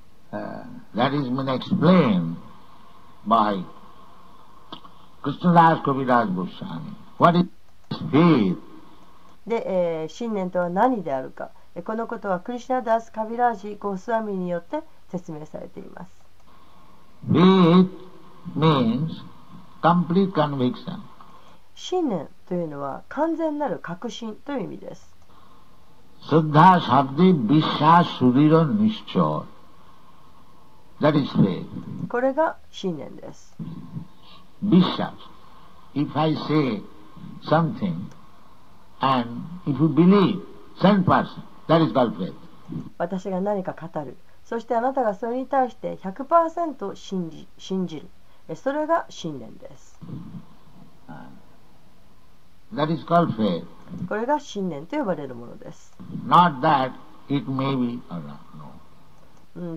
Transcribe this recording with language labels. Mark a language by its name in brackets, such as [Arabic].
[English] That is been explained by Krishnadas Kaviraj Goswami. What is faith? [Japanese] で、信念とは何であるか。このことは Krishnadas Kaviraj Goswami によって説明されています。 [English] Faith means complete conviction. [Japanese] 信念というのは完全なる確信という意味です。 [Bangla] Shraddha Shabdi Vishwas Sudhiro Nischoy. [English] That is faith. [Japanese] これが信念です。 [Bangla] Vishwas. [English] If I say something and if you believe, same person, that is called faith. [Japanese] 私が何か語る。そしてあなたがそれに対して 100% 信じる。それが信念です。 [English] That is called faith. [Japanese] これが信念と呼ばれるものです。 [English] Not that it may be or not. No.